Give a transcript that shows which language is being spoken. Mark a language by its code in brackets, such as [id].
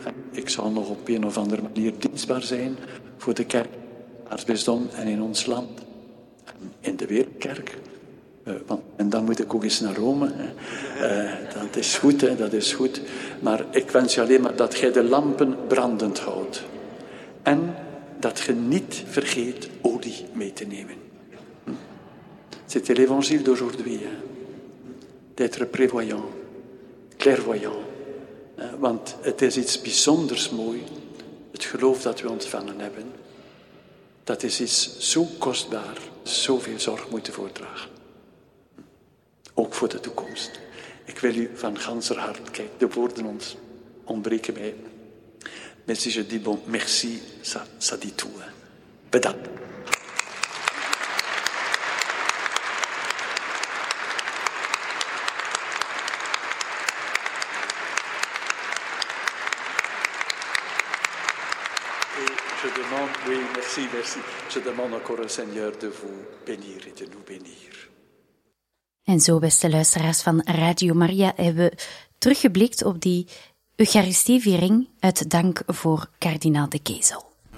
[nl] Ik zal nog op een of andere manier dienstbaar zijn voor de kerk, aartsbisdom en in ons land. In de wereldkerk. En dan moet ik ook eens naar Rome. Dat is goed, hè? Dat is goed. Maar ik wens je alleen maar dat jij de lampen brandend houdt. En dat je niet vergeet olie mee te nemen. [fr] C'est l'évangile d'aujourd'hui. Hein? D'être prévoyant, clairvoyant. [nl] Want het is iets bijzonders mooi. Het geloof dat we ontvangen hebben. Dat is iets zo kostbaar. Zoveel zorg moeten voordragen. Ook voor de toekomst. Ik wil u van ganser hart... Kijk, de woorden ontbreken mij. [fr] Mais si je dis bon, merci, ça dit tout. Hein. [nl] Bedankt. [fr] Et je demande... Oui, merci. Je demande encore au Seigneur de vous bénir et de nous bénir. [nl] En zo, beste luisteraars van Radio Maria, hebben we teruggeblikt op die Eucharistieviering uit dank voor kardinaal De Keyzel.